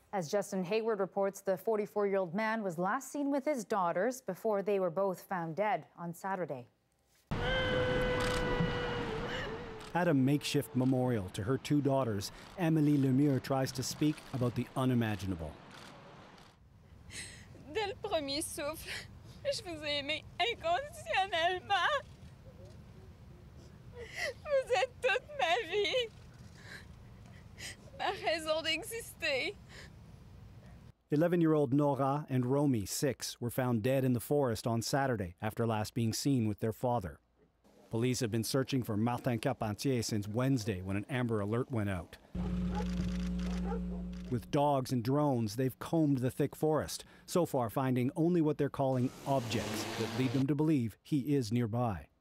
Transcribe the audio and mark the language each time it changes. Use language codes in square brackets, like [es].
[en] As Justin Hayward reports, the 44-year-old man was last seen with his daughters before they were both found dead on Saturday. At a makeshift memorial to her two daughters, Emily Lemieux tries to speak about the unimaginable. [fr] Dès le premier souffle, je vous ai aimé inconditionnellement. Vous êtes toute ma vie, ma raison d'exister. [en] 11-year-old Nora and Romy, 6, were found dead in the forest on Saturday after last being seen with their father. Police have been searching for Martin Carpentier since Wednesday when an Amber Alert went out. With dogs and drones, they've combed the thick forest, so far finding only what they're calling objects that lead them to believe he is nearby.